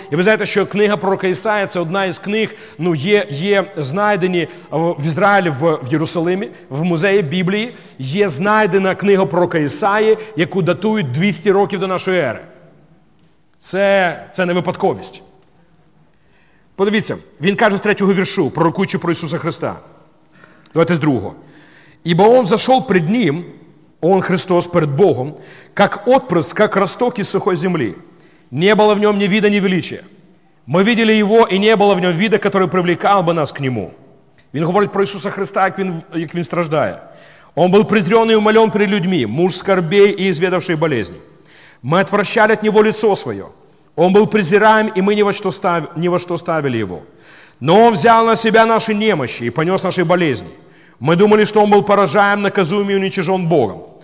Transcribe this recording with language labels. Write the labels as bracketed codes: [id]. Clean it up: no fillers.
[uk] І ви знаєте, що книга пророка Ісая – це одна із книг, є знайдені в Ізраїлі, в Єрусалимі, в музеї Біблії. Є знайдена книга пророка Ісаї, яку датують 200 років до нашої ери. Це не випадковість. Подивіться, він каже з третього віршу, пророкуючи про Ісуса Христа. Давайте з другого. [ru] «Ібо Он зашел пред Ним, Он Христос перед Богом, как отпрыск, как росток из сухой земли. Не было в Нем ни вида, ни величия. Мы видели Его, и не было в Нем вида, который привлекал бы нас к Нему». [uk] Він говорить про Ісуса Христа, як він страждає. [ru] «Он был презрен и умолен перед людьми, муж скорбей и изведавший болезни. Мы отвращали от Него лицо свое. Он был презираем, и мы ни во что ставили Его». Но Он взял на Себя наши немощи и понес наши болезни. Мы думали, что Он был поражаем, наказуем и уничижен Богом.